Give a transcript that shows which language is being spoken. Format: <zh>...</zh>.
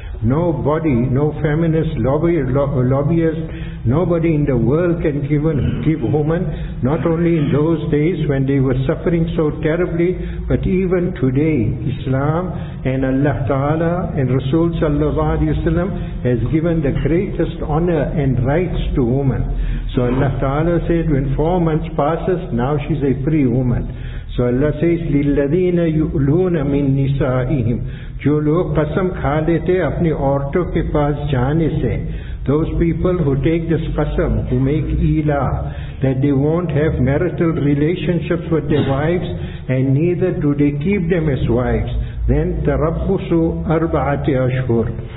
<en>Nobody, no feminist lobbyist, nobody in the world can give women, not only in those days when they were suffering so terribly, but even today, Islam and Allah Ta'ala and Rasul Sallallahu Alaihi Wasallam has given the greatest honor and rights to women. So Allah Ta'ala said, when 4 months passes, now she's a free woman. So Allah says,</en> <ar>لِلَّذِينَ يُؤْلُونَ مِن نِسَائِهِمْ.</ar> <ur>جو لوگ قسم کھا لیتے اپنی عورتوں کے پاس جانے سے.</ur> <en>Those people who take this qasam, who make ila, that they won't have marital relationships with their wives, and neither do they keep them as wives, then</en> <ar>تَرَبُّسُ أَرْبَعَةِ أَشْهُرْ.</ar>